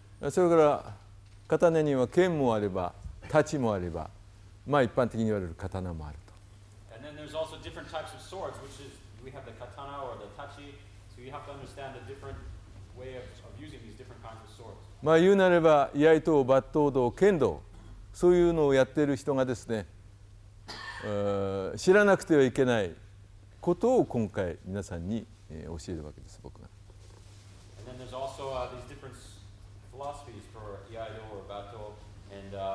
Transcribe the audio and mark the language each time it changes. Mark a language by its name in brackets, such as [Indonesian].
[Japanese] それから刀には剣もあれば、太刀もあれば、まあ一般的に言われる刀もあると。 [English] And then there's also different types of swords, which is we have the katana or the tachi. So you have to understand the different way of using these different kinds of swords. [Japanese] まあ言うなれば、居合刀、抜刀道、剣道、そういうのをやっている人がですね、知らなくてはいけないことを今回皆さんに教えるわけです。僕が。 [English] And then there's also these different philosophies for 居合刀 or 抜刀 and